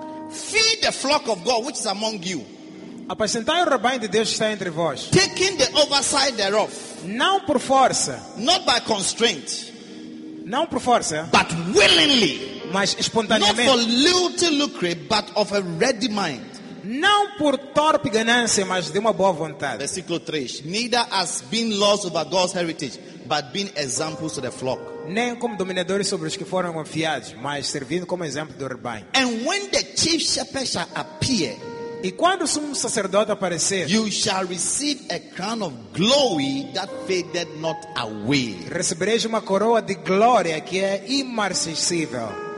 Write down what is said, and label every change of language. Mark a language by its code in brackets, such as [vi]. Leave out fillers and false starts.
[en] Feed the flock of God which is among you. [pt] Apacentai o rebanho de Deus que está entre vós. [en] Taking the oversight thereof. [pt] Não por força. [en] Not by constraint. [pt] Não por força. [en] But willingly. [pt] Mas espontaneamente. [en] Not for little lucre, but of a ready mind. [pt] Não por torpe ganância, mas de uma boa vontade. Versículo 3. [en] Neither as being lords over God's heritage, but being examples to the flock. [pt] Nem como dominadores sobre os que foram confiados, mas servindo como exemplo do rebanho. [en] And when the chief shepherd shall appear, [pt] e quando o sumo sacerdote aparecer, [en] you shall receive a crown of glory that fadeth not away. [pt] Recebereis uma coroa de glória que é imarcessível.